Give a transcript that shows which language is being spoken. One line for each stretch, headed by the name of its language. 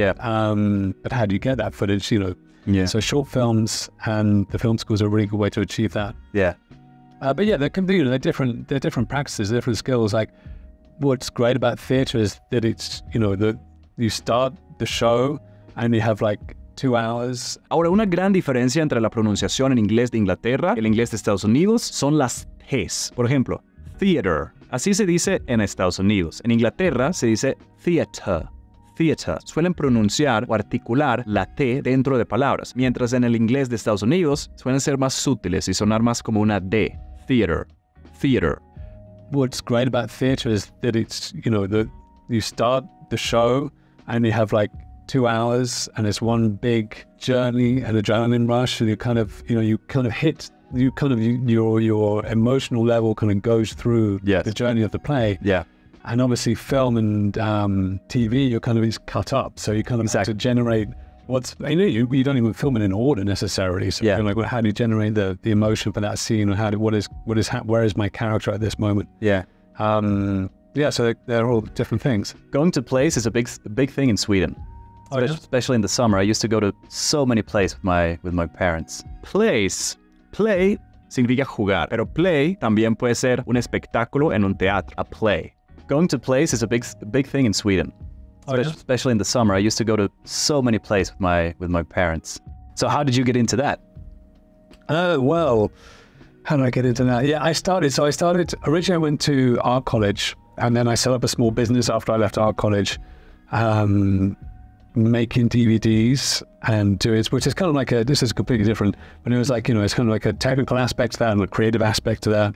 English: But how do you get that footage, So short films and the film school is a really good way to achieve that. Yeah. But yeah, they're different practices, different skills. Like, what's great about theatre is that it's, you start the show and you have like 2 hours.
Spanish: Ahora, una gran diferencia entre la pronunciación en inglés de Inglaterra y el inglés de Estados Unidos son las T's. Por ejemplo, theater. Así se dice en Estados Unidos. En Inglaterra se dice theater. Theater. Suelen pronunciar o articular la T dentro de palabras, mientras en el inglés de Estados Unidos suelen ser más sutiles y sonar más como una D. Theater. Theater.
English: What's great about theatre is that it's, you start the show and you have like 2 hours and it's one big journey and adrenaline rush and your emotional level kind of goes through the journey of the play. Yeah. And obviously film and TV, it's cut up. So you kind of have to generate you don't even film it in order necessarily. So you're like, well, how do you generate the emotion for that scene? Or where is my character at this moment? So they're all different things. Going to plays is a big thing in Sweden, especially in the summer. I used to go to so many plays with my parents. Plays.
Spanish: Play significa jugar, pero play también puede ser un espectáculo en un teatro,
English: a play. Going to plays is a big thing in Sweden. Especially in the summer, I used to go to so many plays with my parents. So how did you get into that? How did I get into that? Yeah, I started, originally I went to art college, and then I set up a small business after I left art college, making DVDs and doing, which is kind of like a, this is completely different, but it was like, it's kind of like a technical aspect to that and a creative aspect to that.